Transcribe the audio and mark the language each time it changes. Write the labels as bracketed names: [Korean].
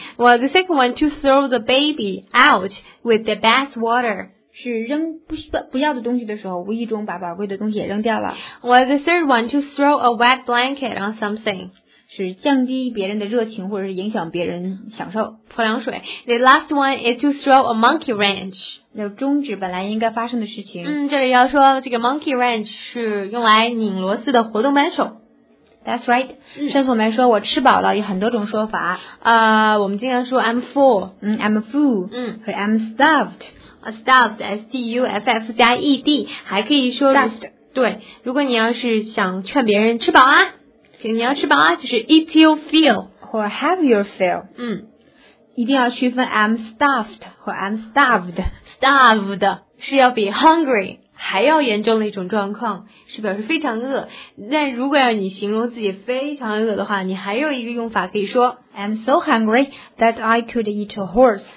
[English] Well, the second one, to throw the baby out with the bath water. [Chinese] 是扔 不要的东西的时候，无意中把宝贵的东西也扔掉了。 [English] Well, the third one, to throw a wet blanket on something. [Chinese] 是降低别人的热情，或者是影响别人享受泼凉水。 [English] The last one is to throw a monkey wrench. [Chinese] 要终止本来应该发生的事情。这里要说这个 [English] monkey wrench [Chinese] 是用来拧螺丝的活动扳手。 [English] That's right. [Chinese] 上次我们说我吃饱了，有很多种说法。我们经常说 [English] I'm full. I'm full. [Chinese] 和 [English] I'm stuffed. Stuffed, S-T-U-F-F 加 E-D. [Chinese] 还可以说 [English] stuffed. [Chinese] 对，如果你要是想劝别人吃饱啊。你要吃饱啊，就是 [English] eat your fill [Chinese] 或 [English] have your fill。 [Chinese] 一定要区分 [English] I'm stuffed [Chinese] 或 [English] I'm starved。 [Chinese] starved 是要比 hungry 还要严重的一种状况，是表示非常饿。但如果要你形容自己非常饿的话，你还有一个用法可以说 [English] I'm so hungry that I could eat a horse。